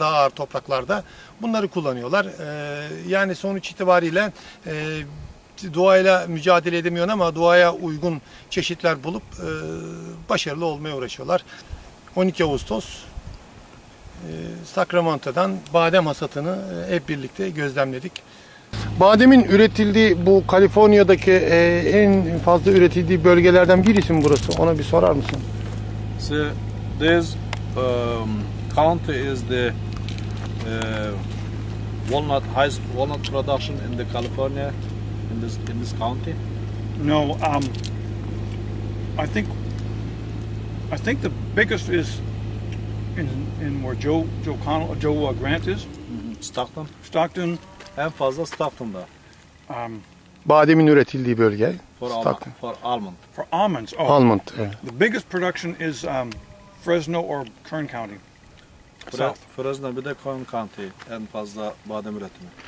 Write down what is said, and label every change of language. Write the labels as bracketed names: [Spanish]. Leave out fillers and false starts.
[Turkish] Daha ağır topraklarda bunları kullanıyorlar. Yani sonuç itibariyle doğayla mücadele edemiyor ama doğaya uygun çeşitler bulup başarılı olmaya uğraşıyorlar. 12 Ağustos Sacramento'dan badem hasatını hep birlikte gözlemledik. Bademin üretildiği, bu Kaliforniya'daki en fazla üretildiği bölgelerden birisi mi burası? Ona bir sorar mısın? [English] So this county is the walnut, highest walnut production in the California. In this county? No, I think the biggest is in where Joe Grant is. Stockton. Stockton. [Turkish] En fazla Stockton'da. Bademin üretildiği bölge. [English] For almonds. Oh, almond. Yeah. The biggest production is Fresno or Kern County. [Turkish] Fresno, bir de Kern County en fazla badem üretimi.